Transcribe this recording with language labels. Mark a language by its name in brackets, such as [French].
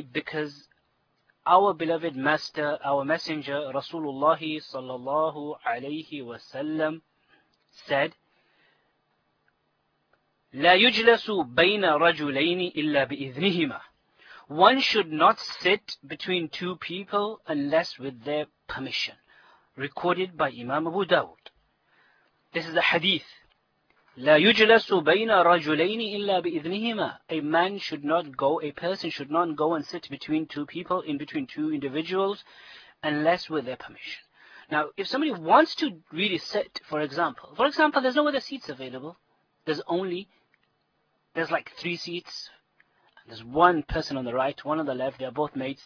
[English] Because our beloved master, our messenger, Rasulullah sallallahu alayhi wa sallam, said, [Arabic] لا يجلس بين رجلين إلا بإذنهما. [English] One should not sit between two people unless with their permission. Recorded by Imam Abu Dawud. This is a hadith. [Arabic] لا يجلس بين رجلين إلا بإذنهما. [English] A man should not go, a person should not go and sit between two people, in between two individuals, unless with their permission. Now, if somebody wants to really sit, for example, there's no other seats available. There's like three seats. There's one person on the right, one on the left. They're both mates.